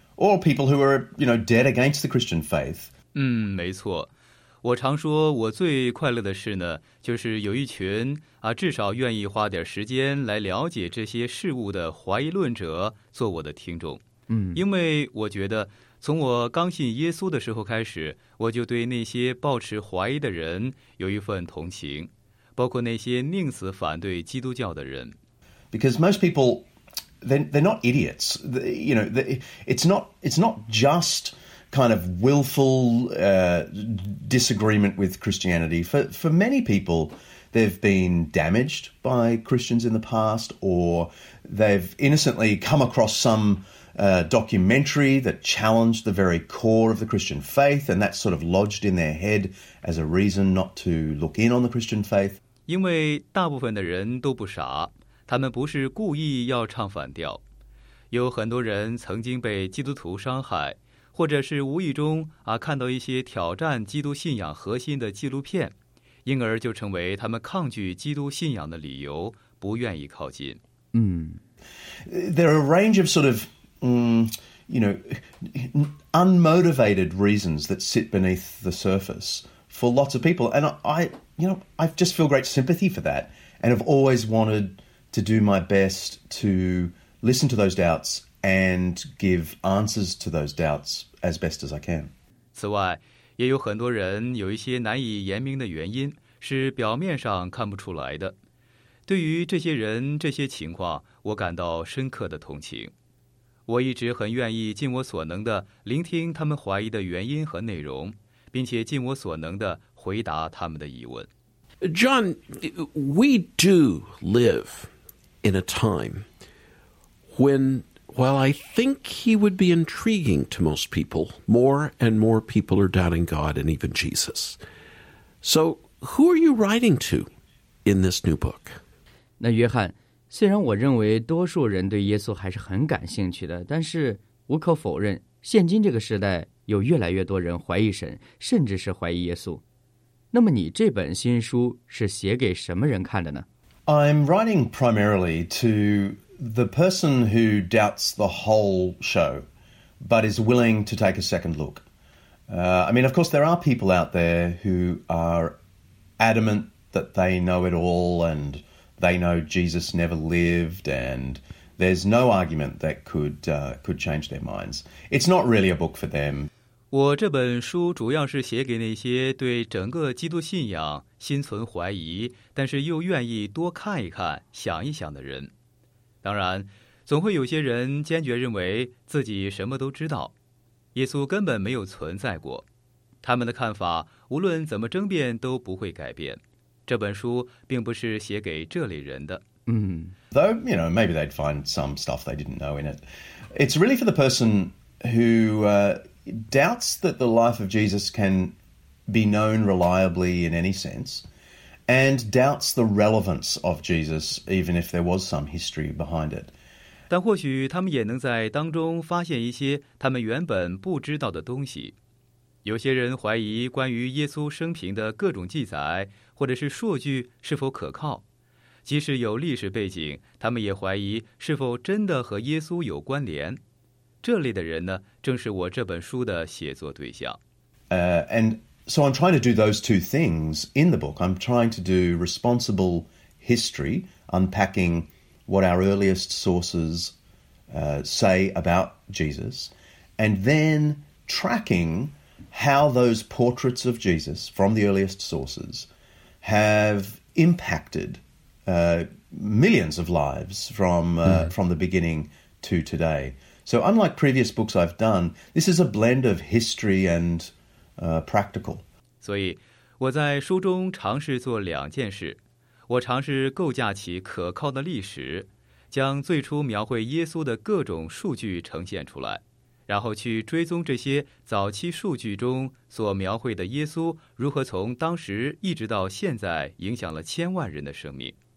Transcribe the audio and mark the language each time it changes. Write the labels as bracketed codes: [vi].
[en] Or people who are, you know, dead against the Christian faith. [zh] 嗯，没错。我常说，我最快乐的事呢，就是有一群啊，至少愿意花点时间来了解这些事物的怀疑论者做我的听众。嗯，因为我觉得，从我刚信耶稣的时候开始，我就对那些抱持怀疑的人有一份同情，包括那些宁死反对基督教的人。 [en] Because most people. They're not idiots. You know, it's not just kind of willful disagreement with Christianity. For many people, they've been damaged by Christians in the past, or they've innocently come across some documentary that challenged the very core of the Christian faith, and that's sort of lodged in their head as a reason not to look in on the Christian faith. [zh] 因为大部分的人都不傻。他们不是故意要唱反调，有很多人曾经被基督徒伤害，或者是无意中啊看到一些挑战基督信仰核心的纪录片，因而就成为他们抗拒基督信仰的理由，不愿意靠近。嗯 [en] ，There are a range of sort of you know unmotivated reasons that sit beneath the surface for lots of people, and I just feel great sympathy for that, and have always wanted. To do my best to listen to those doubts and give answers to those doubts as best as I can. [zh] 此外，也有很多人有一些难以言明的原因，是表面上看不出来的。对于这些人，这些情况，我感到深刻的同情。我一直很愿意尽我所能的聆听他们怀疑的原因和内容，并且尽我所能的回答他们的疑问。 [en] John, we do live in a time when, while I think he would be intriguing to most people, more and more people are doubting God and even Jesus. So, who are you writing to in this new book? [zh] 那约翰，虽然我认为多数人对耶稣还是很感兴趣的，但是无可否认，现今这个时代有越来越多人怀疑神，甚至是怀疑耶稣。那么你这本新书是写给什么人看的呢？ [en] I'm writing primarily to the person who doubts the whole show, but is willing to take a second look. I mean, of course, there are people out there who are adamant that they know it all and they know Jesus never lived and there's no argument that could change their minds. It's not really a book for them. [zh] 我这本书主要是写给那些对整个基督信仰心存怀疑，但是又愿意多看一看、想一想的人。当然，总会有些人坚决认为自己什么都知道，耶稣根本没有存在过。他们的看法无论怎么争辩都不会改变。这本书并不是写给这类人的。嗯 [en] ，Though you know maybe they'd find some stuff they didn't know in it. It's really for the person who. Doubts that the life of Jesus can be known reliably in any sense, and doubts the relevance of Jesus, even if there was some history behind it. [zh] 但或许他们也能在当中发现一些他们原本不知道的东西。有些人怀疑关于耶稣生平的各种记载或者是数据是否可靠，即使有历史背景，他们也怀疑是否真的和耶稣有关联。这类的人呢，正是我这本书的写作对象。 [en] And so I'm trying to do those two things in the book. I'm trying to do responsible history, unpacking what our earliest sources say about Jesus, and then tracking how those portraits of Jesus from the earliest sources have impacted millions of lives from the beginning to today. So unlike previous books I've done, this is a blend of history and practical. [zh] 所以我在书中尝试做两件事。我尝试构架起可靠的历史，将最初描绘耶稣的各种数据呈现出来，然后去追踪这些早期数据中所描绘的耶稣如何从当时一直到现在影响了千万人的生命。